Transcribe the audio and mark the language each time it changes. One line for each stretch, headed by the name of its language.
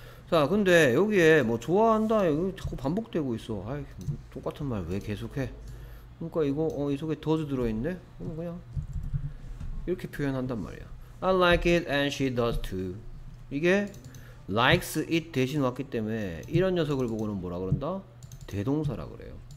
Korean: 자, 근데 여기에 뭐 좋아한다 이거 자꾸 반복되고 있어. 아이, 똑같은 말 왜 계속해. 그러니까 이거 이 속에 does 들어있네. 그럼 그냥 이렇게 표현한단 말이야.
English: I like it and she does too.
Korean: 이게
English: likes it
Korean: 대신 왔기 때문에 이런 녀석을 보고는 뭐라 그런다? 대동사라 그래요.